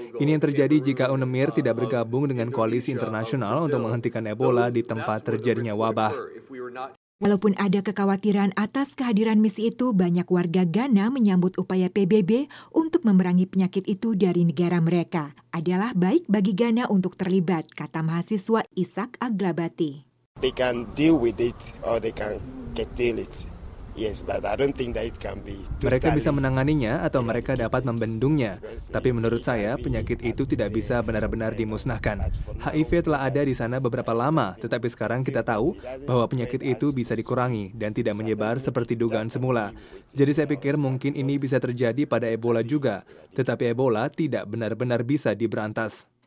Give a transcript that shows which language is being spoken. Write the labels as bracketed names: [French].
[Indonesian] Ini yang terjadi jika UNMEER tidak bergabung dengan koalisi internasional untuk menghentikan Ebola di tempat terjadinya wabah. Walaupun ada kekhawatiran atas kehadiran misi itu, banyak warga Ghana menyambut upaya PBB untuk memerangi penyakit itu dari negara mereka. Adalah baik bagi Ghana untuk terlibat, kata mahasiswa Isaac Aglabati. [English] They can deal with it or they can curtail it. Yes, but I don't think that it can be. [Indonesian] Mereka bisa menanganinya atau mereka dapat membendungnya. Tapi menurut saya, penyakit itu tidak bisa benar-benar dimusnahkan. HIV telah ada di sana beberapa lama, tetapi sekarang kita tahu bahwa penyakit itu bisa dikurangi dan tidak menyebar seperti dugaan semula. Jadi saya pikir mungkin ini bisa terjadi pada Ebola juga, tetapi Ebola tidak benar-benar bisa diberantas.